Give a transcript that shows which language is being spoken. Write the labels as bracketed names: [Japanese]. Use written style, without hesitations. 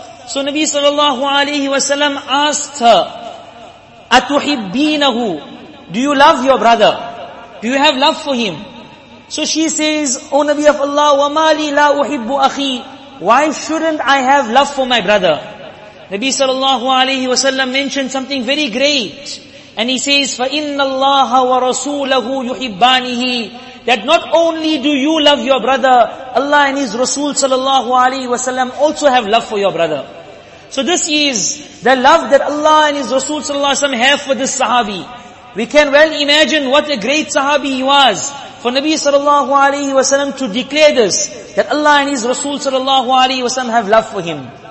[English] So Nabi sallallahu alayhi wa sallam asked her, [Arabic] أَتُحِبِّينَهُ? [English] Do you love your brother? Do you have love for him? So she says, O Nabi of Allah, [Arabic] وَمَا لِي لَا أُحِبُّ أَخِي? [English] Why shouldn't I have love for my brother? Nabi sallallahu alayhi wa sallam mentioned something very great. And he says, [Arabic] فَإِنَّ اللَّهَ وَرَسُولَهُ يُحِبَّانِهِ. [English] That not only do you love your brother, Allah and His Rasul sallallahu alayhi wa sallam also have love for your brother. So this is the love that Allah and His Rasul sallallahu alayhi wa sallam have for this Sahabi. We can well imagine what a great Sahabi he was. For Nabi sallallahu alayhi wa sallam to declare this, that Allah and His Rasul sallallahu alayhi wa sallam have love for him.